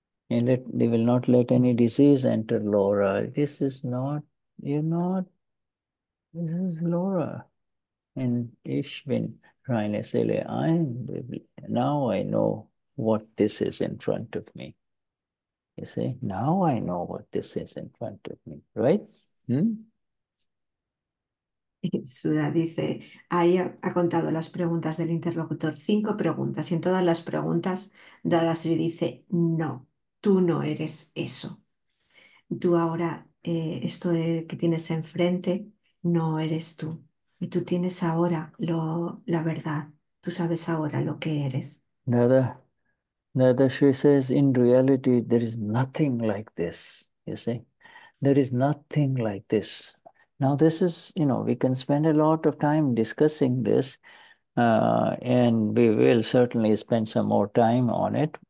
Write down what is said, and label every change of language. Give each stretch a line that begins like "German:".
English: And that they will not let any disease enter Laura. This is not, you're not, this is Laura. And Ishvin Rainesele, I am the, now I know what this is in front of me. You see, now I know what this is in front of me, right?
Spanish: Suda dice, ahí ha contado las preguntas del interlocutor, cinco preguntas, y en todas las preguntas Dadashri dice, no, tú no eres eso. Tú ahora, esto que tienes enfrente, no eres tú. Y tú tienes ahora la verdad, tú sabes ahora lo que eres.
English: Dada Shri says, in reality, there is nothing like this. You see, there is nothing like this. Now, this is, you know, we can spend a lot of time discussing this, and we will certainly spend some more time on it.